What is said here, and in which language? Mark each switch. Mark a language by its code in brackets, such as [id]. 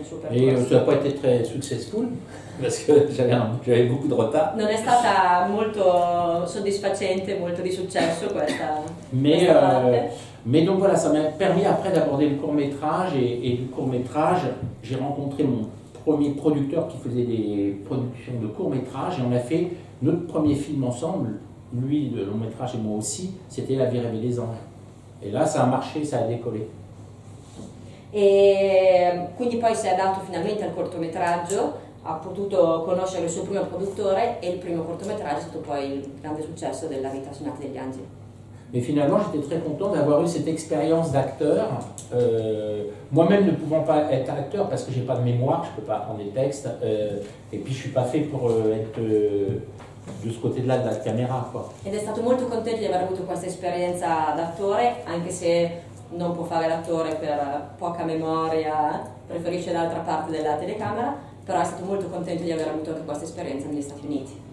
[fr] Et ça n'a pas été très successful parce que j'avais beaucoup de retard. [it] Non è stata molto soddisfacente, molto di successo questa. [fr] Mais donc voilà, ça m'a permis après d'aborder le court métrage et du court métrage, j'ai rencontré mon premier producteur qui faisait des productions de court métrage et on a fait notre premier film ensemble, lui de long métrage et moi aussi. C'était La vie rêvée des anges. Et là, ça a marché, ça a décollé. [it] E quindi poi si è dato finalmente al cortometraggio, ha potuto conoscere il suo primo produttore e il primo cortometraggio è stato poi il grande successo della vita sonata degli angeli. [fr] Mais finalement, j'étais très content d'avoir eu cette expérience d'acteur. Moi-même ne pouvant pas être acteur parce que je n'ai pas de mémoire, je ne peux pas apprendre des textes. Et puis, je ne suis pas fait pour être de ce côté-là de la caméra. Quoi. [it] Ed è stato molto contento di aver avuto questa esperienza d'attore, anche se non può fare l'attore per poca memoria, preferisce l'altra parte della telecamera, però è stato molto contento di aver avuto anche questa esperienza negli Stati Uniti.